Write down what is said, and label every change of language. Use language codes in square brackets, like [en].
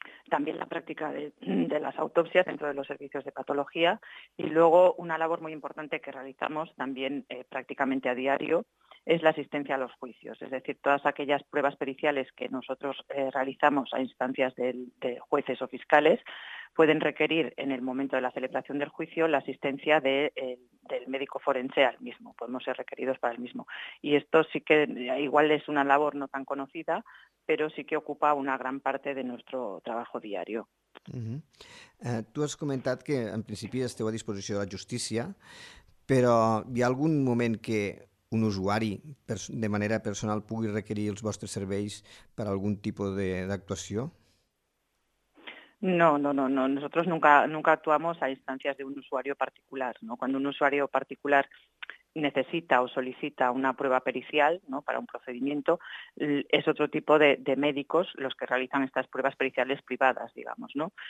[es] también la práctica de las autopsias dentro de los servicios de patología, y luego una labor muy importante que realizamos también prácticamente a diario es la asistencia a los juicios, es decir, todas aquellas pruebas periciales que nosotros realizamos a instancias de jueces o fiscales pueden requerir en el momento de la celebración del juicio la asistencia del médico forense al mismo, podemos ser requeridos para el mismo. Y esto sí que igual es una labor no tan conocida, pero sí que ocupa una gran parte de nuestro trabajo diario. Uh-huh. [ca] Tú has comentat que en principi esteu a disposició de la justícia, però hi ha algun moment que un usuari de manera personal pugui requerir els vostres serveis per algun tipus d'actuació? [es] No. Nosotros nunca actuamos a instancias de un usuario particular, ¿no? Cuando un usuario particular necesita o solicita una prueba pericial, ¿no?, para un procedimiento, es otro tipo de médicos los que realizan estas pruebas periciales privadas, digamos, ¿no?